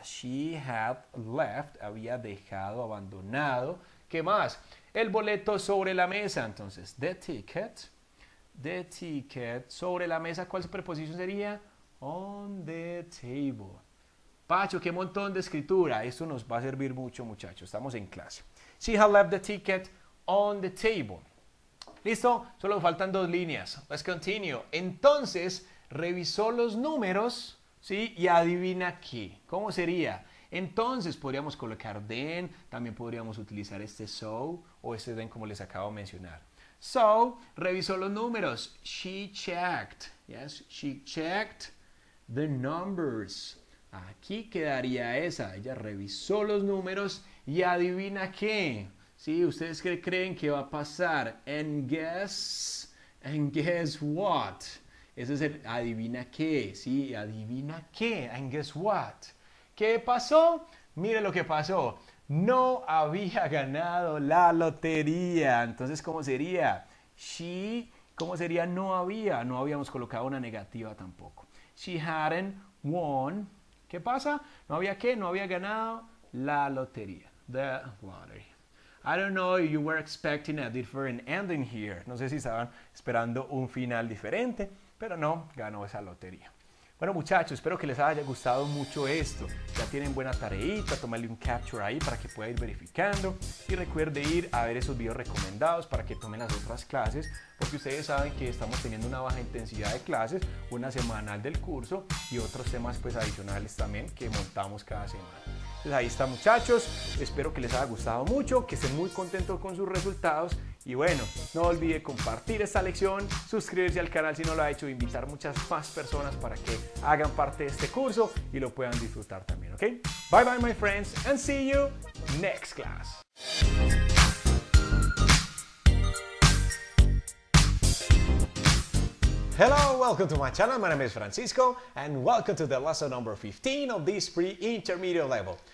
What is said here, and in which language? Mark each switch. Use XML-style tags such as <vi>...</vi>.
<en>She had left.</en> <es>Había dejado, abandonado. ¿Qué más? El boleto sobre la mesa. Entonces,</es> <en>the ticket. The ticket.</en> <es>Sobre la mesa. ¿Cuál preposición sería?</es> <en>On the table.</en> <es>Pacho, qué montón de escritura. Esto nos va a servir mucho, muchachos. Estamos en clase.</es> <en>She had left the ticket on the table.</en> <es>¿Listo? Solo faltan dos líneas.</es> <en>Let's continue.</en> <es>Entonces, revisó los números... ¿Sí? Y adivina qué. ¿Cómo sería? Entonces, podríamos colocar then. También podríamos utilizar este so o este then como les acabo de mencionar. So, revisó los números.</es> <en>She checked. Yes, she checked the numbers.</en> <es>Aquí quedaría esa. Ella revisó los números y adivina qué. Sí, ¿ustedes qué creen que va a pasar?</es> <en>And guess what?</en> <es>Ese es el adivina qué. Sí, adivina qué.</es> <en>And guess what?</en> <es>¿Qué pasó? Mire lo que pasó. No había ganado la lotería. Entonces, ¿cómo sería? She, ¿cómo sería no había? No habíamos colocado una negativa tampoco.</es> <en>She hadn't won.</en> <es>¿Qué pasa? No había qué, no había ganado la lotería.</es> <en>The lottery. I don't know if you were expecting a different ending here.</en> <es>No sé si estaban esperando un final diferente, pero no, ganó esa lotería. Bueno, muchachos, espero que les haya gustado mucho esto. Ya tienen buena tareita, tómale un capture ahí para que pueda ir verificando. Y recuerde ir a ver esos videos recomendados para que tomen las otras clases, porque ustedes saben que estamos teniendo una baja intensidad de clases, una semanal del curso y otros temas pues adicionales también que montamos cada semana. Entonces ahí está, muchachos. Espero que les haya gustado mucho, que estén muy contentos con sus resultados. Y bueno, no olvide compartir esta lección, suscribirse al canal si no lo ha hecho, invitar muchas más personas para que hagan parte de este curso y lo puedan disfrutar también, ¿ok?</es> <en>Bye bye, my friends, and see you next class. Hello, welcome to my channel. My name is Francisco, and welcome to the lesson number 15 of this pre-intermediate level.</en>